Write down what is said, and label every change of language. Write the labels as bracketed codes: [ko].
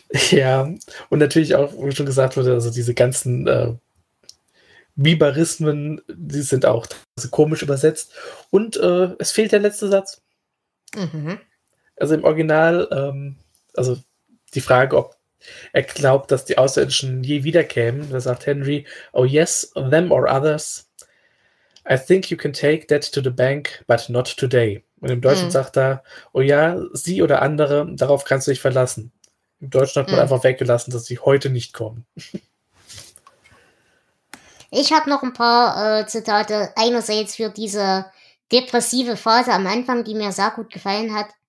[de] Ja, und natürlich auch, wie schon gesagt wurde, also diese ganzen Biberismen, die sind auch komisch übersetzt. Und es fehlt der letzte Satz. Mhm. Also im Original, also die Frage, ob er glaubt, dass die Außerirdischen je wiederkämen, da sagt Henry, [en] oh yes, them or others. I think you can take that to the bank, but not today. [de] Und im Deutschen sagt er, oh ja, sie oder andere, darauf kannst du dich verlassen. Im Deutschen hat man einfach weggelassen, dass sie heute nicht kommen. Ich habe noch ein paar Zitate, einerseits für diese depressive Phase am Anfang, die mir sehr gut gefallen hat.